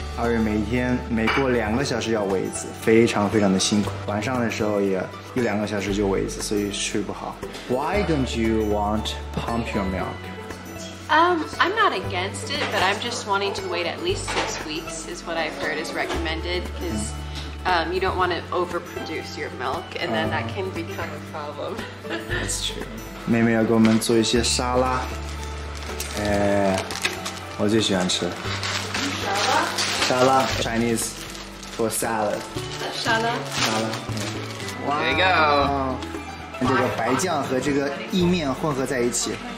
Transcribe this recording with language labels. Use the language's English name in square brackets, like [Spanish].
[Chinese] 二月每天每过两个小时要喂一次，非常非常的辛苦。晚上的时候也一两个小时就喂一次，所以睡不好。 [English] Why don't you want to pump your milk? I'm not against it, but I'm just wanting to wait at least 6 weeks is what I've heard is recommended because you don't want to overproduce your milk and then that can become a problem. That's true. [Chinese] 妹妹要给我们做一些沙拉，我最喜欢吃。沙拉。沙拉 [English] ，Chinese for salad. [Chinese] 沙拉。沙拉。 [English] Wow. There you go. [Chinese] 这个白酱和这个意面混合在一起。